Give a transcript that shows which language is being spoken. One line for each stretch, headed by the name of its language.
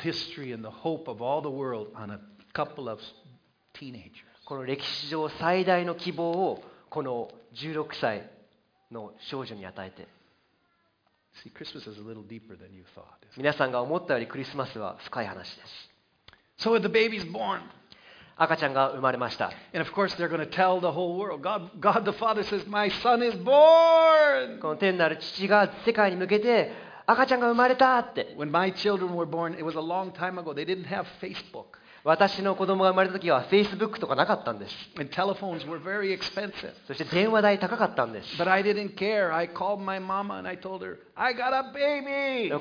English: He put the history and the hope of all the world on a couple of teenagers.
Japanese: この歴史上最大の希望をこの16歳の少女に与えて。
English: See, Christmas is a little deeper than you thought.
Japanese: 皆さんが思ったよりクリスマスは深い話です。
English: So the baby's born.
Japanese: 赤ちゃんが生まれました。
English: And of course they're going to tell the whole world. God the Father says, "My son is born."
Japanese: この天なる父が世界に向けて赤ちゃんが生まれたって。
English: When my children were born, it was a long time ago. They didn't have Facebook.
Japanese: 私の子供が生まれた時は Facebook とかなかったんです。
English: And telephones were very expensive.
Japanese: そして電話代高かったんです。
English: But I didn't care. I called my mama and I told her, "I got a baby."